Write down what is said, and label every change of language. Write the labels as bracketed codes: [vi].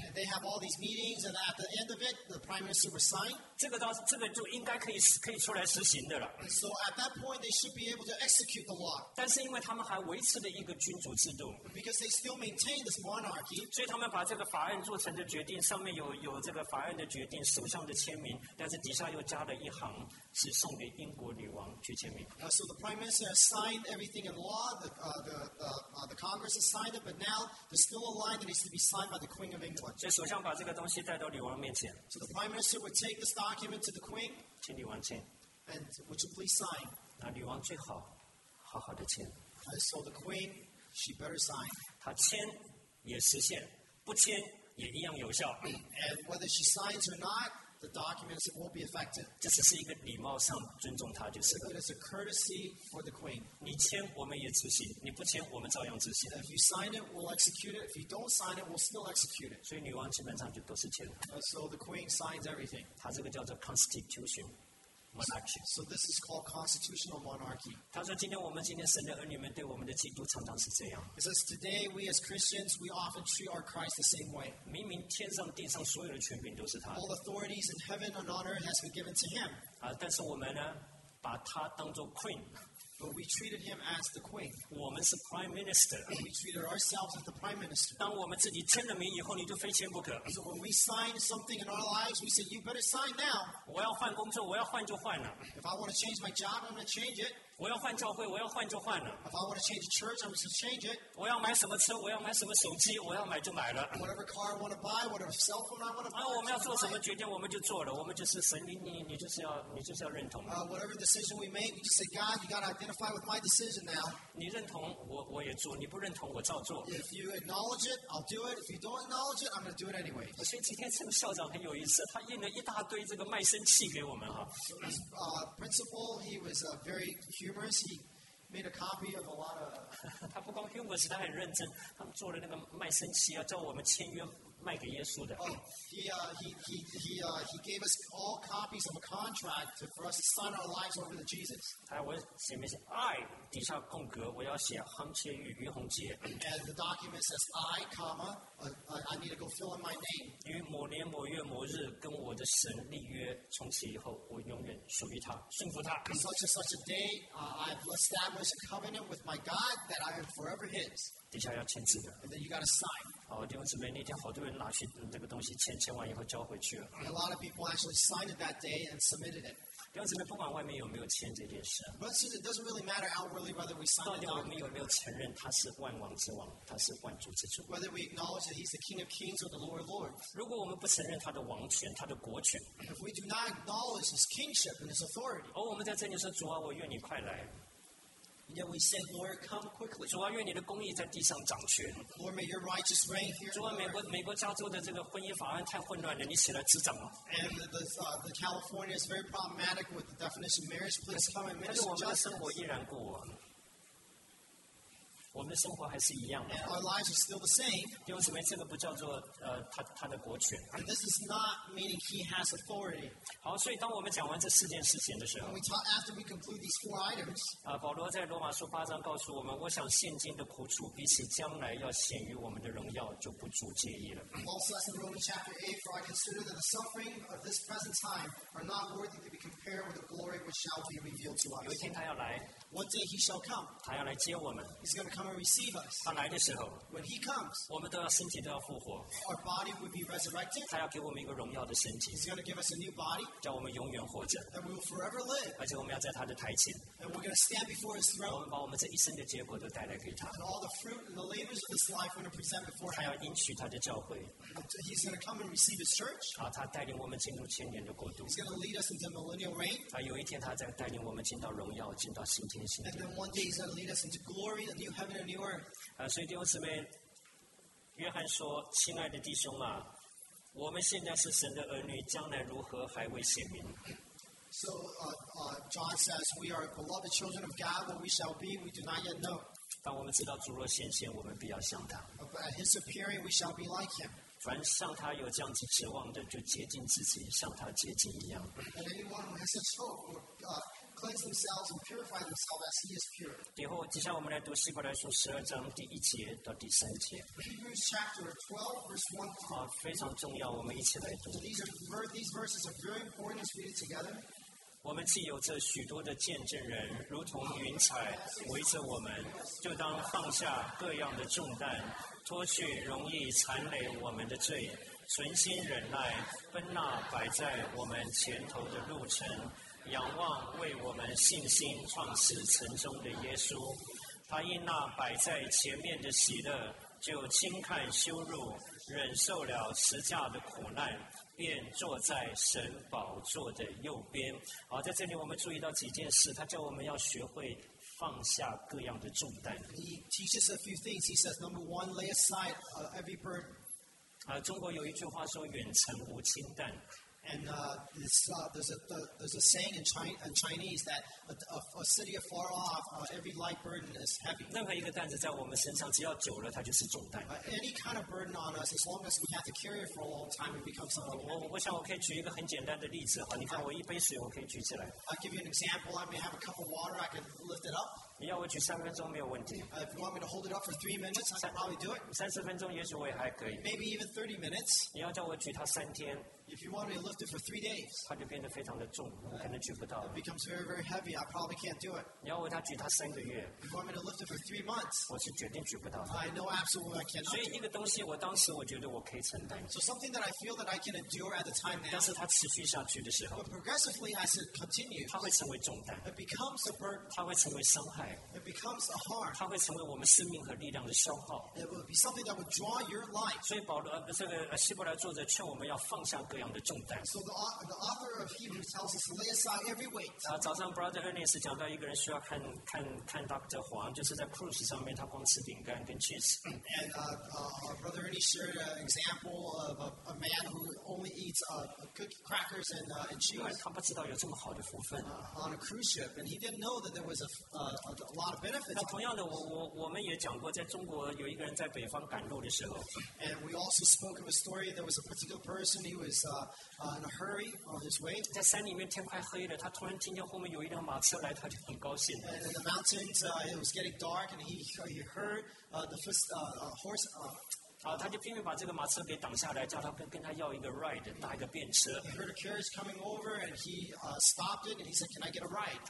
[en] They have all these meetings, and at the end of it, the Prime Minister will sign. [zh] 这个就应该可以出来实行的了。 [en] So at that point, they should be able to execute the law. [zh] 但是因为他们还维持了一个君主制度 [en] ，because they still maintain this monarchy， [zh] 所以他们把这个法案做成的决定，上面有这个法案的决定，首相的签名，但是底下又加了一行，是送给英国女王去签名。 [en] So the Prime Minister has signed everything in law. The Congress has signed it, but now there's still a line that needs to be signed by the Queen of England. [zh] 所以首相把这个东西带到女王面前。 [en] So the Prime Minister would take this document to the Queen. [zh] 请女王签。 [en] And would you please sign? [zh] 那女王最好好好的签。 [en] So the Queen, she better sign. [zh] 她签也实现，不签也一样有效。 [en] And whether she signs or not, the documents will be effective. [zh] 这只是一个礼貌上尊重她就是了。 [en] It is a courtesy for the Queen. [zh] 你签我们也执行，你不签我们照样执行。 [en] If you sign it, we'll execute it. If you don't sign it, we'll still execute it. [zh] 所以女王基本上就都是签了。 [en] So the Queen signs everything. [zh] 她这个叫做 constitution。 [en] So this is called constitutional monarchy. [zh] 他说：“今天我们今天神的儿女们对我们的基督常常是这样。” [en] He says, "Today we as Christians we often treat our Christ the same way." [zh] 明明天上地上所有的权柄都是他。 [en] All authorities in heaven and on earth has been given to him. [zh] 啊，但是我们呢，把他当做 queen。 [en] But we treated him as the queen. [zh] 我们是 prime minister. [en] We treated ourselves as the prime minister. [zh] 当我们自己签了名以后，你就非签不可。 [en] So when we sign something in our lives, we say, "You better sign now." [zh] 我要换工作，我要换就换了。 [en] If I want to change my job, I'm going to change it. [zh] 我要换教会，我要换就换了。 [en] If I want to change church, I'm going to change it. [zh] 我要买什么车，我要买什么手机，我要买就买了。 [en] Whatever car I want to buy, whatever cell phone I want to buy. [zh] 啊，我们要做什么决定，我们就做了。我们就是神，你就是要认同。 [en] Whatever decision we make, we just say, "God, you got to identify with my decision now." [zh] 你认同我也做，你不认同我照做。 [en] If you acknowledge it, I'll do it. If you don't acknowledge it, I'm going to do it anyway. [zh] 所以今天这个校长很有意思，他印了一大堆这个卖身契给我们哈。 [en] So this principal, he was a very humorous. He made a copy of a lot of. [zh] 他不光 humorous， 他很认真。他们做了那个卖身契，要叫我们签约。卖给耶稣的。 [en] He gave us all copies of a contract for us to sign our lives over to Jesus. [zh] 我写没写 I 底下空格，我要写亨切玉于洪杰。 [en] And the document says I, comma, I need to go fill in my name. [zh] 于某年某月某日跟我的神立约，从此以后我永远属于他，顺服他。 [en] Such and such a day, I've established a covenant with my God that I am forever His. [zh] 底下要签字的。 [en] And then you got to sign. [zh] 好，弟兄姊妹，那天好多人拿去这个东西签完以后交回去了。 [en] A lot of people actually signed it that day and submitted it. [zh] 弟兄姊妹，不管外面有没有签这件事。 [en] But since it doesn't really matter outwardly whether we sign it. [zh] 到底我们有没有承认他是万王之王，他是万主之主 [en] ？Whether we acknowledge that he's the King of Kings or the Lord of Lords. [zh] 如果我们不承认他的王权，他的国权。 [en] If we do not acknowledge his kingship and his authority. [zh] 我们在这里说，主啊，我愿你快来。 [en] And yet we say, Lord, come quickly. [zh] 主啊，愿你的公义在地上掌权。 [en] Lord, may your righteous reign here. [zh] 主啊，美国加州的这个婚姻法案太混乱了，你起来执掌吧。 [en] And the California is very problematic with the definition of marriage. Please come and minister. [zh] 但是我们的生活依然过。我们的生活还是一样的。 [en] Our lives are still the same. [zh] 弟兄姊妹，这个不叫做他的国权。 [en] And this is not meaning he has authority. [zh] 好，所以当我们讲完这四件事情的时候 [en] ，When we talk after we complete these four items, [zh] 保罗在罗马书八章告诉我们，我想现今的苦楚比起将来要显于我们的荣耀，就不足介意了。 [en] Also, as in Romans chapter 8, for I consider that the suffering of this present time are not worthy to be compared with the glory which shall be revealed to us. [zh] 有一天他要来。 [en] One day he shall come. [zh] 他要来接我们。 [en] He's going to come and receive us. [zh] 他来的时候 [en] ，When he comes, [zh] 我们都要身体都要复活。 [en] Our body will be resurrected. [zh] 他要给我们一个荣耀的身体。 [en] He's going to give us a new body. [zh] 叫我们永远活着。 [en] That we will forever live. [zh] 而且我们要在他的台前。 [en] And we're going to stand before his throne. [zh] 我们把我们这一生的结果都带来给他。 [en] And all the fruit and the labors of this life we're going to present before him. [zh] 他要应许他的教会。 [en] He's going to come and receive his church. [zh] 好，他带领我们进入千年的国度。 [en] He's going to lead us into millennial reign. [zh] 他有一天他在带领我们进到荣耀，进到新天。 [en] And then one day he's going to lead us into glory, the new heaven and new earth. [zh] 所以弟兄姊妹，约翰说：“亲爱的弟兄啊，我们现在是神的儿女，将来如何还未显明。” [en] So John says, "We are beloved children of God. What we shall be, we do not yet know." [zh] 当我们知道主若显现，我们必要像他。 [en] But at his appearing, we shall be like him. [zh] 凡像他有这样子指望的，就洁净自己，像他洁净一样。 [en] And anyone who has such hope will cleanse themselves and purify themselves as he is pure. [zh] 以后，接下来我们来读希伯来书十二章第一节到第三节。 [en] Hebrews chapter 12, verse 1 through 3. [zh] 非常重要，我们一起来读。 [en] These verses are very important as we read it together. [zh] 我们既有着许多的见证人，如同云彩围着我们，就当放下各样的重担。脱去容易残累我们的罪，存心忍耐，奔那摆在我们前头的路程，仰望为我们信心创始成终的耶稣。他因那摆在前面的喜乐，就轻看羞辱，忍受了十架的苦难，便坐在神宝座的右边。好，在这里我们注意到几件事，他叫我们要学会放下各样的重担。 [en] He teaches a few things. He says, number one, lay aside every burden. [zh] 中国有一句话说“远程无轻担”。 [en] And there's a saying in Chinese that a city afar off, every light burden is heavy. [zh] 任何一个担子在我们身上，只要久了，它就是重担。 [en] Any kind of burden on us, as long as we have to carry it for a long time, it becomes something heavy. [zh] 我想我可以举一个很简单的例子哈，你看我一杯水，我可以举起来。 [en] I'll give you an example. I may have a cup of water. I can lift it up. [zh] 你要我举三分钟没有问题。 [en] If you want me to hold it up for 3 minutes, I can probably do it. 30 minutes, [zh] 也许我也还可以。 [en] Maybe even 30 minutes. [zh] 你要叫我举它三天。 [en] If you want me to lift it for 3 days, [zh] 它就变得非常的重，我可能举不到。 [en] It becomes very, very heavy. I probably can't do it. [zh] 你要我它举它三个月。 [en] If you want me to lift it for 3 months, [zh] 我是决定举不到。 [en] I know absolutely I cannot. [zh] 所以一个东西，我当时我觉得我可以承担。 [en] So something that I feel that I can endure at the time now. [zh] 但是它持续下去的时候 [en] ，But progressively as it continues, [zh] 它会成为重担。 [en] It becomes a burden. [zh] 它会成为伤害。 [en] It becomes a harm. [zh] 它会成为我们生命和力量的消耗。 [en] It will be something that would draw your life. [zh] 所以保罗这个希伯来作者劝我们要放下各各样的重担。 [en] So the author of Hebrews tells us to lay aside every weight. [zh] 早上 Brother Ernest 讲到一个人需要看看看 Dr. 黄，就是在 cruise 上面他光吃饼干跟 cheese. [en] And our brother Ernie shared an example of a man who only eats cookie crackers and cheese. [zh] 他不知道有这么好的福分。 [en] On a cruise ship, and he didn't know that there was a lot of benefits. [zh] 那同样的，我们也讲过，在中国有一个人在北方赶路的时候。 [en] And we also spoke of a story. There was a particular person who was in a hurry on his way. [zh] 在山里面天快黑了，他突然听见后面有一辆马车来，他就很高兴。 [en] And in the mountains, it was getting dark, and he heard the first horse. [zh] 他就拼命把这个马车给挡下来，叫他跟他要一个 ride， 搭一个便车。 [en] He heard a carriage coming over, and he stopped it, and he said, "Can I get a ride?"